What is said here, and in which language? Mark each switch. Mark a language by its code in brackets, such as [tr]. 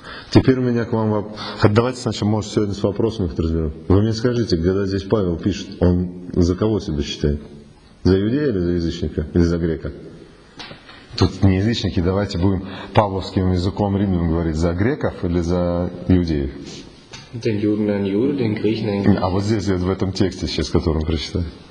[ru] Теперь у меня к вам вопрос. Давайте сначала, может, сегодня с вопросами их разберем. Вы мне скажите, когда здесь Павел пишет, он за кого себя считает? За иудея или за язычника? Или за грека? Тут не язычники, давайте будем павловским языком римлян говорить, за греков или за иудеев? [de] den Juden ein Jude, den Griechen ein Griechen. [ru] А вот здесь, в этом тексте сейчас, который мы прочитали.